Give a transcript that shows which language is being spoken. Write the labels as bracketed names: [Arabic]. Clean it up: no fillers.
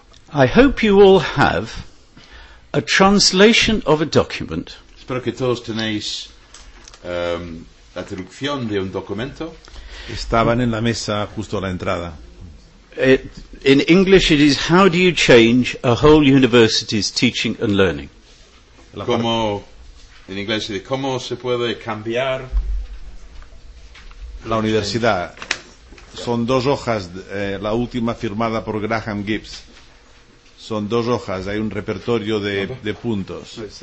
[English] I hope you all have a translation of a document. [Spanish] Espero que todos tenéis la traducción de un documento. Estaban en la mesa justo a la entrada. [English] In English it is how do you change a whole university's teaching and learning? [Spanish] Como en inglés dice cómo se puede cambiar la universidad. Son dos hojas, la última firmada por Graham Gibbs. Son dos hojas, hay un repertorio de puntos.